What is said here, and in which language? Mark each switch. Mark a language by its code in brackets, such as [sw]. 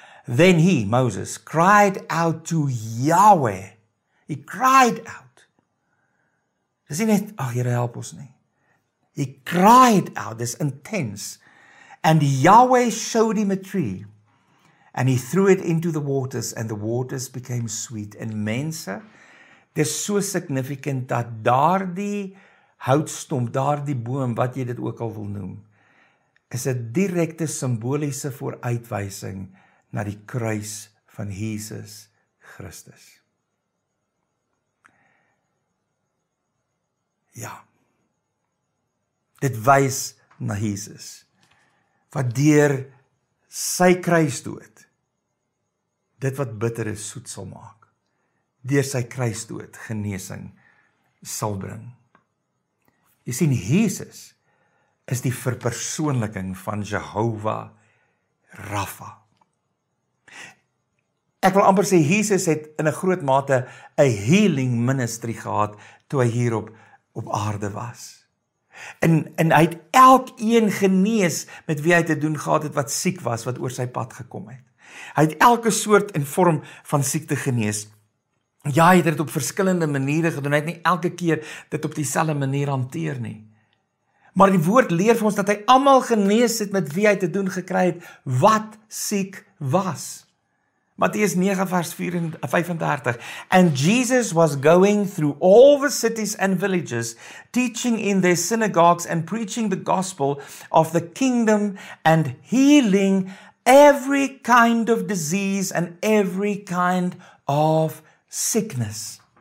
[en] Then he, Moses, cried out to Yahweh. [af] He cried out. Dis nie net, ach, Heere, help ons nie. [en] He cried out, this intense. And Yahweh showed him a tree. And he threw it into the waters, and the waters became sweet. [af] En mense, dis so significant, dat daar die houtstomp, daar die boom, wat jy dit ook al wil noem, is 'n direkte simboliese vooruitwysing na die kruis van Jesus Christus. Ja, dit wys na Jesus, wat deur sy kruisdood, dit wat bitter is, soet sal maak, deur sy kruisdood, genesing sal bring. Jy sien, Jesus is die verpersoonliking van Jehovah Rapha. Ek wil amper sê, Jesus het in 'n groot mate 'n healing ministry gehad, toe hy hierop op aarde was. En hy het elkeen genees met wie hy te doen gehad het wat siek was, wat oor sy pad gekom het. Hy het elke soort en vorm van siekte genees. Ja, hy het dit op verskillende maniere gedoen, hy het nie elke keer dit op dieselfde manier hanteer nie. Maar die woord leer vir ons dat hy almal genees het met wie hy te doen gekry het, wat siek was. Matteus 9 vers 35. [en] And Jesus was going through all the cities and villages, teaching in their synagogues and preaching the gospel of the kingdom and healing every kind of disease and every kind of sickness.